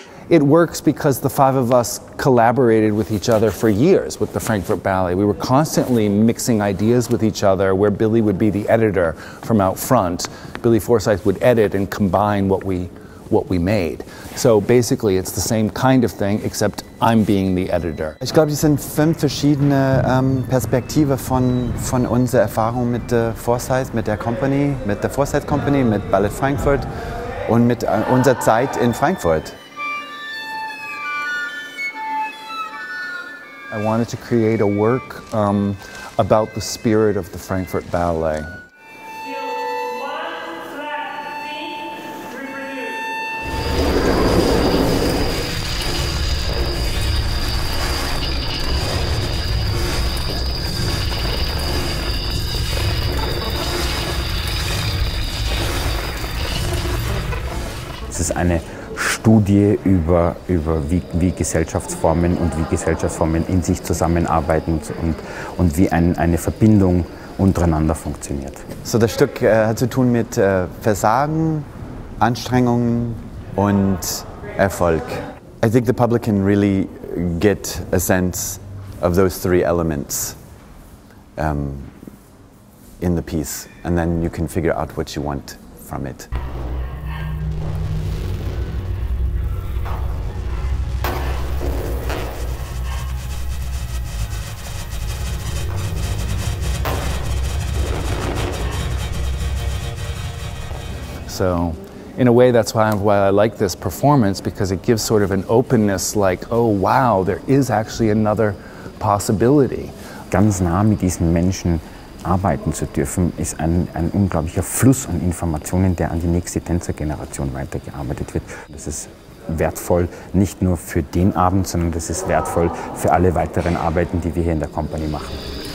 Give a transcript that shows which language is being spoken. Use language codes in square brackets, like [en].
[en] It works because the five of us collaborated with each other for years with the Frankfurt Ballet. We were constantly mixing ideas with each other, where Billy would be the editor from out front. Billy Forsythe would edit and combine what we made. So basically, it's the same kind of thing, except I'm being the editor. [de] Ich glaube, es sind fünf verschiedene Perspektive von unserer Erfahrung mit der Forsythe, mit der Company, mit der Forsythe Company, mit Ballet Frankfurt und mit unserer Zeit in Frankfurt. [en] I wanted to create a work about the spirit of the Frankfurt Ballet. [de] Eine Studie über wie Gesellschaftsformen und wie Gesellschaftsformen in sich zusammenarbeiten und wie eine Verbindung untereinander funktioniert. So, das Stück hat zu tun mit Versagen, Anstrengungen und Erfolg. [en] I think the public can really get a sense of those three elements in the piece, and then you can figure out what you want from it. So, in a way, that's why I like this performance, because it gives sort of an openness, like, oh wow, there is actually another possibility. [de] Ganz nah mit diesen Menschen arbeiten zu dürfen, ist ein unglaublicher Fluss an Informationen, der an die nächste Tänzergeneration weitergearbeitet wird. Das ist wertvoll, nicht nur für den Abend, sondern das ist wertvoll für alle weiteren Arbeiten, die wir hier in der Company machen.